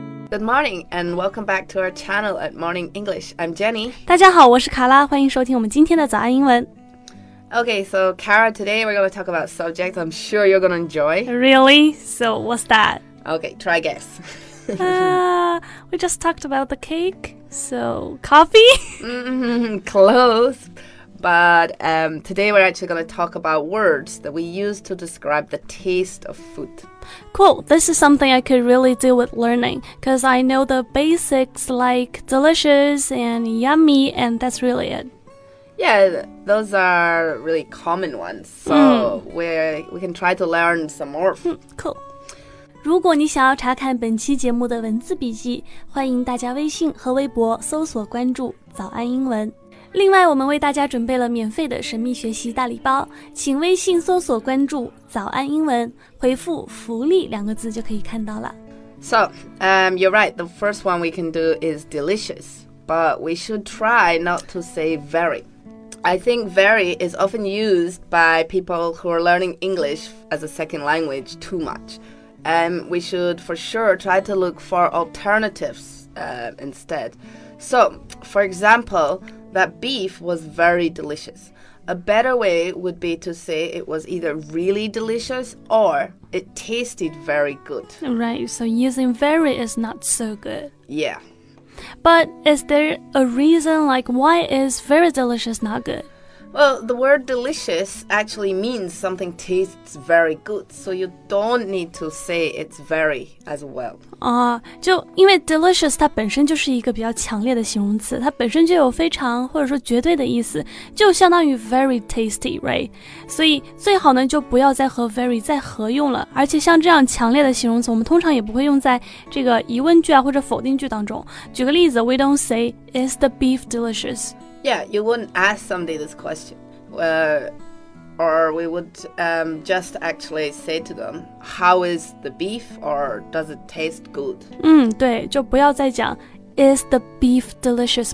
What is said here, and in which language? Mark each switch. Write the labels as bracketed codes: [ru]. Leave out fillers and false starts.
[en] Good morning, and welcome back to our channel at Morning English. I'm Jenny. [zh] 大家好，我是卡拉，欢迎收听我们今天的早安英文。 [en] Okay, so Kara, today we're going to talk about subjects I'm sure you're going to enjoy. Really? So what's that? Okay, try guess. We just talked about the cake, so coffee? Close. But today we're actually going to talk about words that we use to describe the taste of food. Cool. This is something I could really do with learning because I know the basics like delicious and yummy, and that's really it. Yeah, those are really common ones. So we can try to learn some more. Cool. [zh] 如果你想要查看本期节目的文字笔记，欢迎大家微信和微博搜索关注早安英文。另外，我们为大家准备了免费的神秘学习大礼包，请微信搜索关注早安英文，回复福利两个字就可以看到了。 [en] So, you're right. The first one we can do is delicious. But we should try not to say very. I think very is often used by people who are learning English as a second language too much. And we should for sure try to look for alternatives, instead. So, for example, that beef was very delicious. A better way would be to say it was either really delicious or it tasted very good. Right, so using very is not so good. Yeah. But is there a reason, like, why is very delicious not good? Well, the word delicious actually means something tastes very good, so you don't need to say it's very as well. [zh] 就因为 delicious 它本身就是一个比较强烈的形容词，它本身就有非常或者说绝对的意思，就相当于 [en] very tasty, right? [zh] 所以最好呢就不要再和 very 再合用了，而且像这样强烈的形容词，我们通常也不会用在这个疑问句啊或者否定句当中。举个例子 [en] ,we don't say, is the beef delicious? Yeah, you wouldn't ask somebody this question. Or we would just actually say to them, how is the beef or does it taste good? [zh] 对，就不要再讲 [en] is the beef delicious?